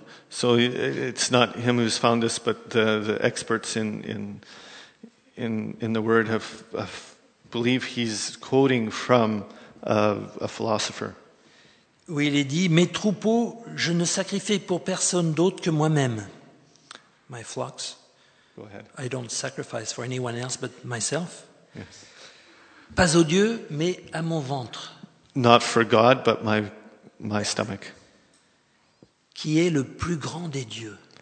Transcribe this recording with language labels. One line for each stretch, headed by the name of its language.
English: So it's not him who's found this, but the experts in the word have believe he's quoting from a philosopher.
French: Où il est dit, mes troupeaux, je ne sacrifie pour personne d'autre que moi-même.
English: My flocks. Go ahead. I don't sacrifice for anyone else but myself. Yes.
French: Pas aux dieux, mais à mon ventre.
English: Not for God, but my stomach.
French: Qui est le plus grand des dieux.